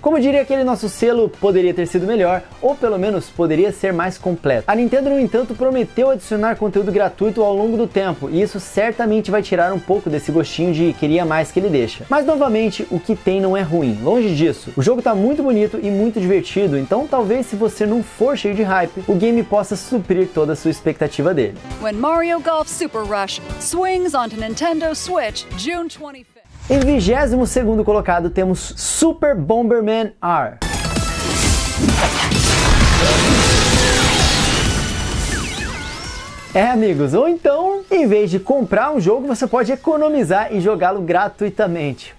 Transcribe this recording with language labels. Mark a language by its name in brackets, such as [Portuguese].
[Portuguese] Como diria aquele nosso selo, poderia ter sido melhor, ou pelo menos poderia ser mais completo. A Nintendo, no entanto, prometeu adicionar conteúdo gratuito ao longo do tempo, e isso certamente vai tirar um pouco desse gostinho de queria mais que ele deixa. Mas novamente, o que tem não é ruim, longe disso. O jogo tá muito bonito e muito divertido, então talvez se você não for cheio de hype, o game possa suprir toda a sua expectativa dele. [English] When Mario Golf Super Rush swings onto Nintendo Switch, June 25th. [Portuguese] Em 22º colocado temos Super Bomberman R. É, amigos, ou então, em vez de comprar um jogo, você pode economizar e jogá-lo gratuitamente.